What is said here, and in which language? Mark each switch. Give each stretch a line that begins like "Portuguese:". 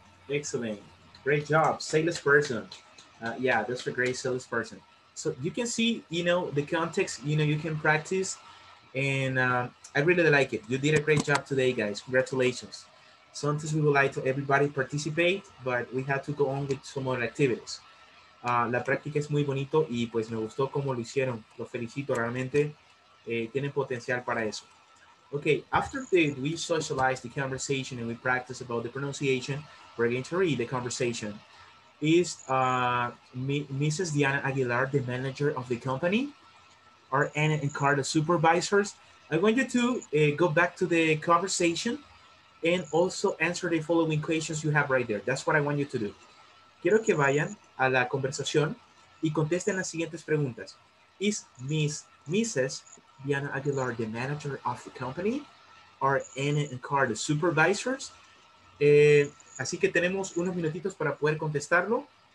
English: Excellent. Great job, salesperson. Yeah, that's a great salesperson. So you can see, you know, the context, you know, you can practice. And I really like it. You did a great job today, guys. Congratulations. Sometimes we would like to everybody participate, but we have to go on with some other activities.
Spanish: La práctica es muy bonito y pues me gustó como lo hicieron. Lo felicito realmente. Tienen potencial para eso.
English: Okay, after we socialize the conversation and we practice about the pronunciation, we're going to read the conversation. Is Mrs. Diana Aguilar the manager of the company? Are Anna and Carlos supervisors? I want you to go back to the conversation and also answer the following questions you have right there. That's what I want you to do.
Spanish: Quiero que vayan a la conversación y contesten las siguientes preguntas.
English: Is Mrs. Diana Aguilar the manager of the company? Are Anna and Carlos supervisors?
Spanish: Así que tenemos unos minutitos para poder contestarlo.